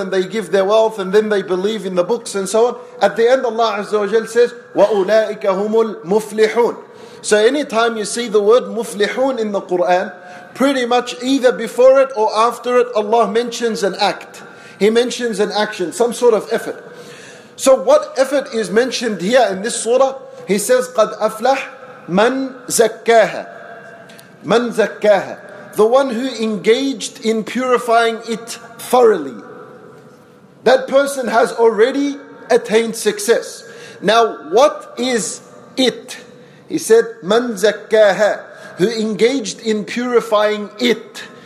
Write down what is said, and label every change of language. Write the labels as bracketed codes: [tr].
[en] And they give their wealth, and then they believe in the books and so on. At the end, Allah azza wa jal says, [ar] وَأُولَٰئِكَ هُمُ الْمُفْلِحُونَ. [en] So anytime you see the word muflihun in the Quran, pretty much either before it or after it, Allah mentions an act. He mentions an action, some sort of effort. So what effort is mentioned here in this surah? He says, [ar] قَدْ أَفْلَحْ مَنْ زَكَّاهَا. مَنْ زَكَّاهَا. [en] The one who engaged in purifying it thoroughly. That person has already attained success. Now, what is it? He said, [ar] مَنْ زَكَّاهَا. [en] Who engaged in purifying it.